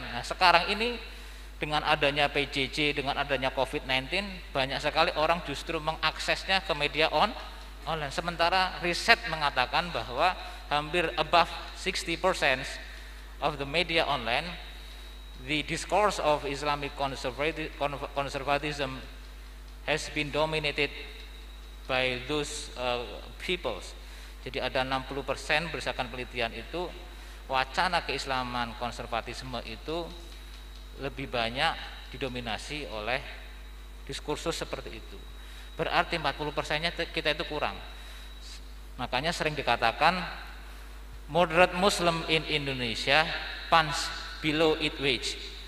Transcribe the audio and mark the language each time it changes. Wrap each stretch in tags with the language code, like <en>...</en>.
<id>Nah, sekarang ini dengan adanya PJJ, dengan adanya COVID-19, banyak sekali orang justru mengaksesnya ke media online. Sementara riset mengatakan bahwa hampir</id> <en>above 60% of the media online, the discourse of Islamic conservatism has been dominated by those peoples.</en> <id>Jadi ada 60% berdasarkan penelitian itu, wacana keislaman konservatisme itu lebih banyak didominasi oleh diskursus seperti itu. Berarti 40%-nya kita itu kurang. Makanya sering dikatakan</id> <en>moderate Muslim in Indonesia punch below its weight.</en>